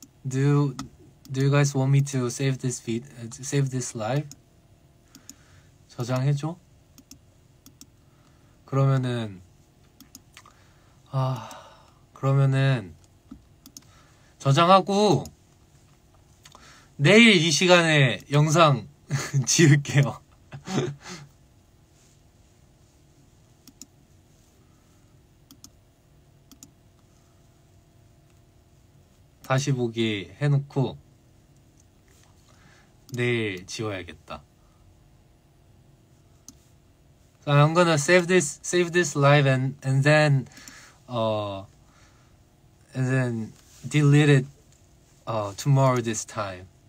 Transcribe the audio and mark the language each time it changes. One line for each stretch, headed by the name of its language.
English: do you guys want me to save this feed, save this live?
Korean: 저장해줘? 그러면은 저장하고 내일 이 시간에 영상 지울게요. 다시 보기 해놓고 내일 지워야겠다.
English: So I'm gonna save this live and then delete it tomorrow this time.